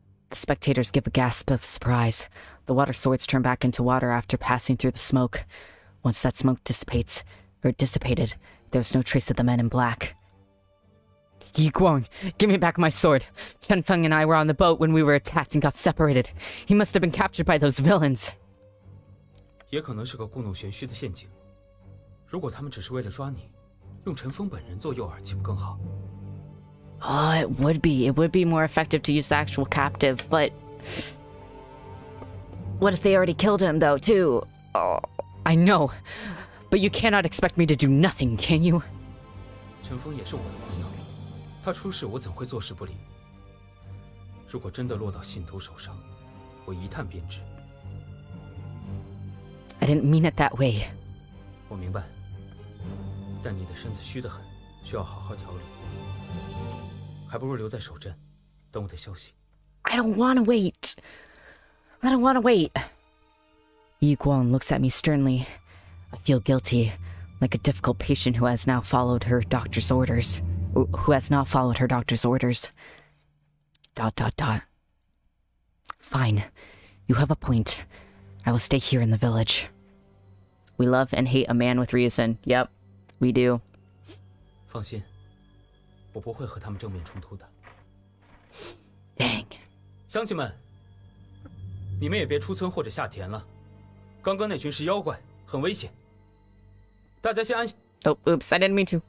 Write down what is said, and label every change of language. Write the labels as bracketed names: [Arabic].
[English] The spectators give a gasp of surprise. The water swords turn back into water after passing through the smoke. Once that smoke dissipated, there was no trace of the men in black. Yi Guang, give me back my sword. Chen Feng and I were on the boat when we were attacked and got separated. He must have been captured by those villains. [Chinese] 也可能是个故弄玄虚的陷阱。如果他们只是为了抓你，用陈峰本人做诱饵岂不更好？ [English] Oh, it would be. It would be more effective to use the actual captive, but... What if they already killed him, though, too? Oh, I know. But you cannot expect me to do nothing, can you? Chen Feng is my friend. If he comes out, I will not do anything. If he really falls into the hands of the Sin Tu, I didn't mean it that way. I understand. But your body is weak. I don't want to wait. I don't want to wait. Yu Guang looks at me sternly. I feel guilty, like a difficult patient who has now followed her doctor's orders. Who has not followed her doctor's orders. Dot dot dot. Fine. You have a point. I will stay here in the village. We love and hate a man with reason. Yep, we do. [Chinese] 放心, 我不会和他们正面冲突的。 [English] Dang. [Chinese] 乡亲们, 你们也别出村或者下田了, 刚刚那群是妖怪, 很危险, 大家先安心。 [English] Oh, oops, I didn't mean to.